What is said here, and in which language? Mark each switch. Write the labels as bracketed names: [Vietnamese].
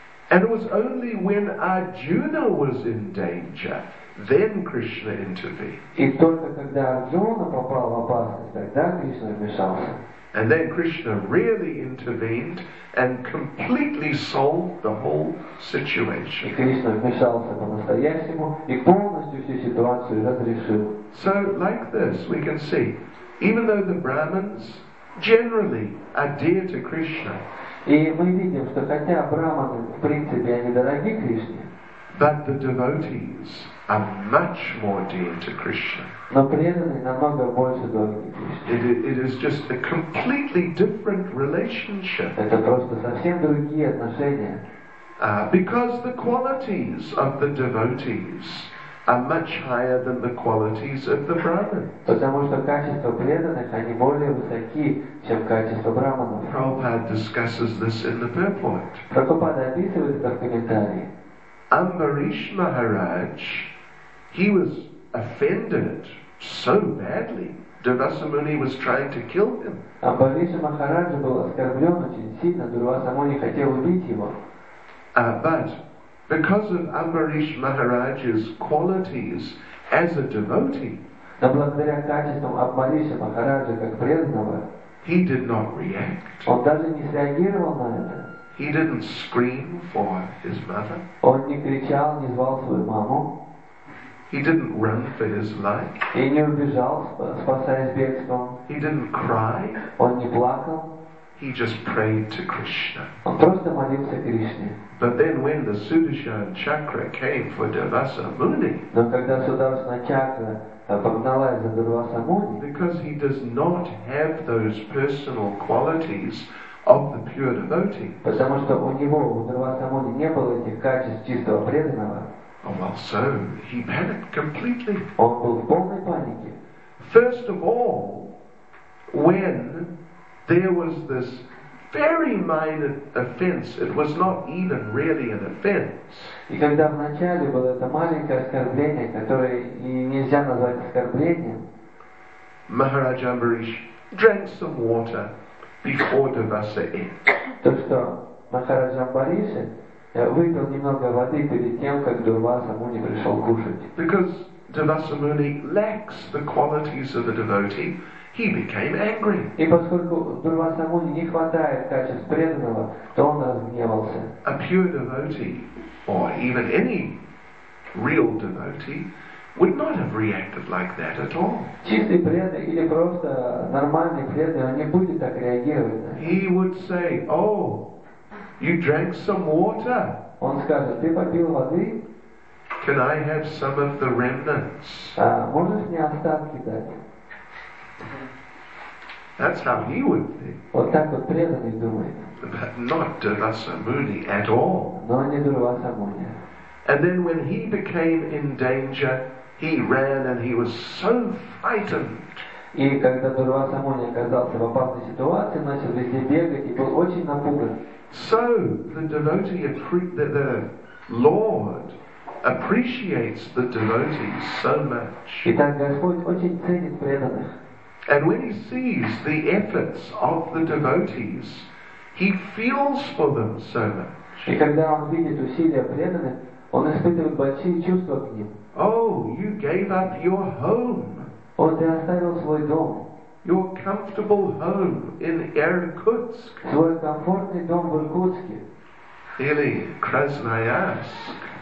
[English] And it was only when Arjuna was in danger, then Krishna intervened. [Russian] И только когда Арджуна попал в опасность, тогда Кришна вмешался. [English] And then Krishna really intervened and completely solved the whole situation. [Russian] Кришна вмешался по-настоящему и полностью всю ситуацию разрешил. [English] So like this, we can see, even though the Brahmins generally are dear to Krishna, [Russian] и мы видим, что хотя брахманы в принципе они дороги Кришне, [English] but the devotees are much more dear to Krishna. [Russian] Но преданные намного больше дороги Кришне. [English] It is just a completely different relationship. [Russian] Это просто совсем другие отношения. [English] Because the qualities of the devotees are much higher than the qualities of the brahmins. [Russian] Потому что качество преданных они более высоки, чем качество брахманов. [English] Prabhupada discusses this in the purport. [Russian] Прабхупада описывает это в комментарии. [English] Amrish Maharaj, he was offended so badly. Durvasa Muni was trying to kill him. [Russian] Amrish Maharaj был оскорблен очень сильно. Дурваса Муни хотел убить его. [English] But because of Amrish Maharaj's qualities as a devotee, [Russian] но благодаря качествам Амриша Махараджа как преданного, [English] he did not react. [Russian] Он даже не среагировал на это. [English] He didn't scream for his mother. [Russian] Он не кричал, не звал свою маму. [English] He didn't run for his life. [Russian] И не убежал, спасаясь бегством. [English] He didn't cry. [Russian] Он не плакал. [English] He just prayed to Krishna. [Russian] Он просто молился Кришне. [English] But then when the Sudarshan Chakra came for Durvasa Muni, [Russian] но когда Сударшна Чакра погналась за Дурваса Муни, [English] because he does not have those personal qualities of the pure devotee. [Russian] Потому что у него, у Дурваса Муни, не было этих качеств чистого преданного. [English] Oh, well, so he panicked completely. [Russian] Он был в полной панике. [English] First of all, when there was this very minor offense, it was not even really an offense. [Russian] И когда вначале было это маленькое оскорбление, которое и нельзя назвать оскорблением. [English] Maharaj Amrish drank some water before Durvasa ate. [Russian] То что Махарадж Амбариш выпил немного воды перед тем, как Дурваса Муни пришел кушать. [English] Because Durvasa Muni lacks the qualities of a devotee, he became angry. [Russian] И поскольку Дурваса Муни не хватает качеств преданного, то он разгневался. [English] A pure devotee, or even any real devotee, would not have reacted like that at all. [Russian] Чистый преданный или просто нормальный преданный, он не будет так реагировать. [English] He would say, "Oh, you drank some water." [Russian] Он скажет: "Ты попил воды?" [English] Can I have some of the remnants? [Russian] Можешь мне остатки дать? [English] That's how he would think. [Russian] Вот так вот преданный думает. [English] But not Durvasa Muni at all. [Russian] Но не Дурваса Муни. [English] And then when he became in danger, he ran and he was so frightened. [Russian] И когда Дурваса Муни оказался в опасной ситуации, начал везде бегать и был очень напуган. [English] So the devotee, the Lord appreciates the devotee so much. [Russian] Итак, Господь очень ценит преданных. [English] And when he sees the efforts of the devotees, he feels for them so much. [Russian] И когда он видит усилия преданных, он испытывает большие чувства к ним. [English] Oh, you gave up your home. [Russian] О, ты оставил свой дом. [English] Your comfortable home in Irkutsk. [Russian] Твой комфортный дом в Иркутске. Или Красноярск.